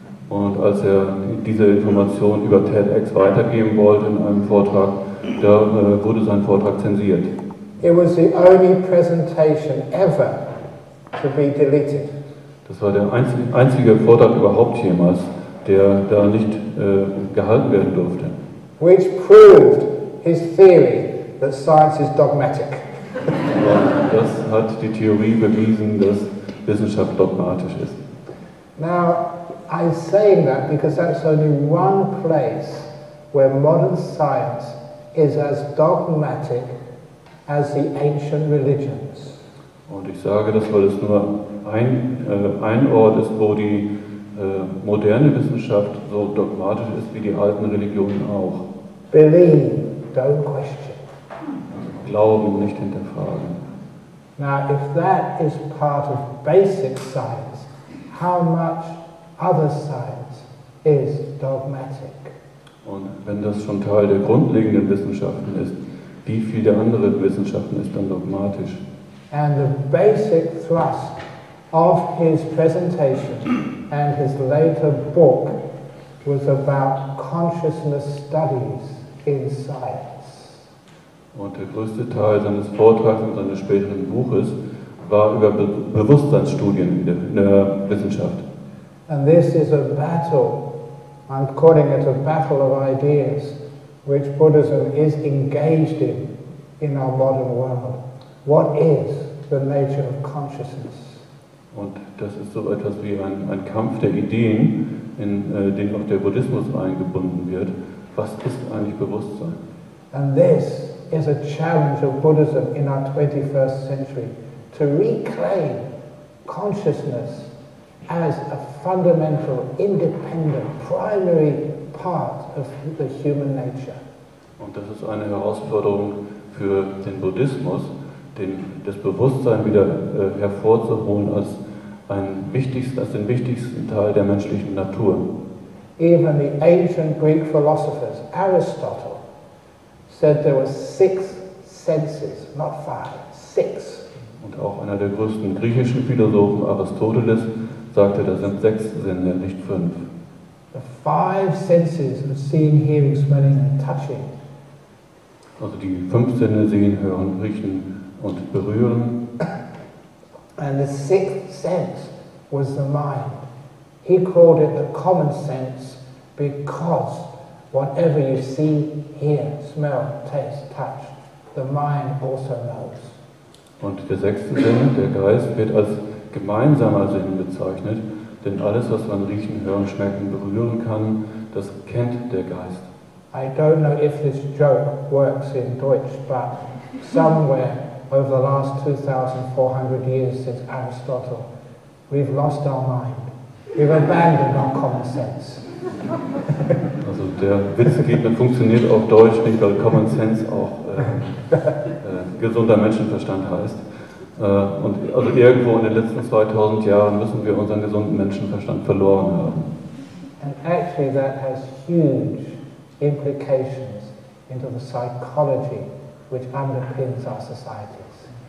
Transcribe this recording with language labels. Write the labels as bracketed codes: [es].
[de] Und als er diese Information über TEDx weitergeben wollte in einem Vortrag, da wurde sein Vortrag zensiert. [en] It was the only presentation ever to be deleted. [de] Das war der einzige Vortrag überhaupt jemals, der da nicht gehalten werden durfte. [en] Which proved his theory that science is dogmatic. [de] Das hat die Theorie bewiesen, dass Wissenschaft dogmatisch ist. [en] Now, I'm saying that because that's only one place where modern science is as dogmatic as the ancient religions. [de] Und ich sage das, weil es nur ein Ort ist, wo die moderne Wissenschaft so dogmatisch ist wie die alten Religionen auch. [en] Believe, don't question. [de] Glauben, nicht hinterfragen. [en] Now, if that is part of basic science, how much other science is dogmatic? [de] Und wenn das schon Teil der grundlegenden Wissenschaften ist, wie viel der anderen Wissenschaften ist dann dogmatisch? [en] And the basic thrust of his presentation and his later book was about consciousness studies in science. [de] Und der größte Teil seines Vortrags und seines späteren Buches war über Bewusstseinsstudien in der Wissenschaft. [en] And this is a battle, I'm calling it a battle of ideas, which Buddhism is engaged in our modern world. What is the nature of consciousness? [de] Und das ist so etwas wie ein Kampf der Ideen, in den auch der Buddhismus eingebunden wird. Was ist eigentlich Bewusstsein? [en] And this is a challenge of Buddhism in our 21st century, to reclaim consciousness as a fundamental, independent, primary part of the human nature. [de] Und das ist eine Herausforderung für den Buddhismus, das Bewusstsein wieder hervorzuholen als den wichtigsten Teil der menschlichen Natur. [en] Even the ancient Greek philosophers, Aristotle, said there were 6 senses, not 5, 6. [de] Und auch einer der größten griechischen Philosophen, Aristoteles, sagte, da sind 6 Sinne, nicht 5. [en] The 5 senses of seeing, hearing, smelling and touching. [de] Also die 5 Sinne sehen, hören, riechen und berühren. [en] And the 6th sense was the mind. He called it the common sense because whatever you see, hear, smell, taste, touch, the mind also knows. [de] Und der 6. Sinn, der Geist, wird als gemeinsamer Sinn bezeichnet, denn alles, was man riechen, hören, schmecken, berühren kann, das kennt der Geist. [en] I don't know if this joke works in Deutsch, but somewhere over the last 2,400 years since Aristotle, we've lost our mind. We've abandoned our common sense. [de] Also der Witz geht, man funktioniert auf Deutsch nicht, weil Common Sense auch gesunder Menschenverstand heißt. Und also irgendwo in den letzten 2000 Jahren müssen wir unseren gesunden Menschenverstand verloren haben. [en] And actually that has huge implications into the psychology which underpins our societies.